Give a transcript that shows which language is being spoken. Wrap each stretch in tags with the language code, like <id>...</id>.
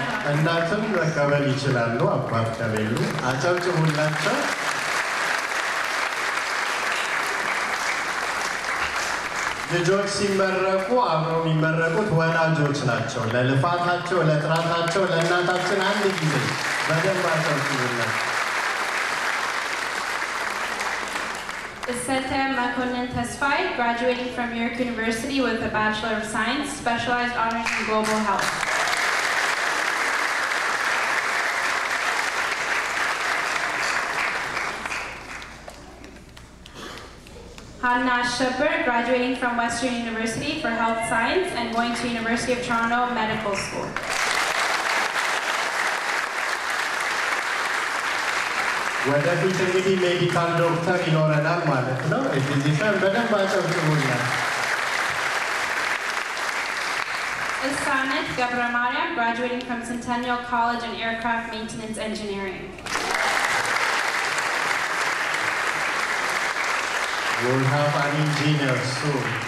<am>እናትም መቀበል ይችላሉ፣ አባት ከሌሉ አጨብጭቡላቸው። ልጆች ሲመረቁ አብረው የሚመረቁት ወላጆች ናቸው። ለልፋታቸው፣ ለጥራታቸው ለእናታችን አንድ ጊዜ በደንብ አጨብጭቡላቸው።</am> <en>Sete Makonnen Tesfai, graduating from York University with a Bachelor of Science, specialized honors in global health. Hanna Shepherd, graduating from Western University for Health Science and going to University of Toronto Medical School.</en> <am>ወደ ፊትንግዲ ሜዲካል ዶክተር ይኖረናል ማለት ነው። እዚህ በደንብ አጨብጭቡልን።</am> <en>እሳነት ገብረ ማርያም, graduating from Centennial College in Aircraft Maintenance Engineering. We'll have an engineer soon.</en>